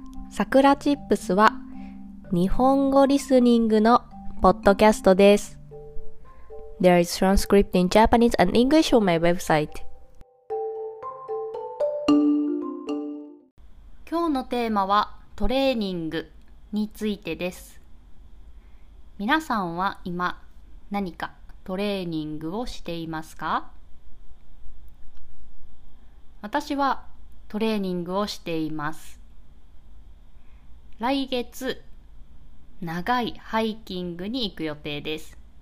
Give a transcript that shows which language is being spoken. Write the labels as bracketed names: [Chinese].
[Japanese] さくらチップスは日本語リスニングのポッドキャストです。 [English] There is transcript in Japanese and English on my website. [Japanese] 今日のテーマはトレーニングについてです。皆さんは今何かトレーニングをしていますか？私はトレーニングをしています。来月、長いハイキングに行く予定です。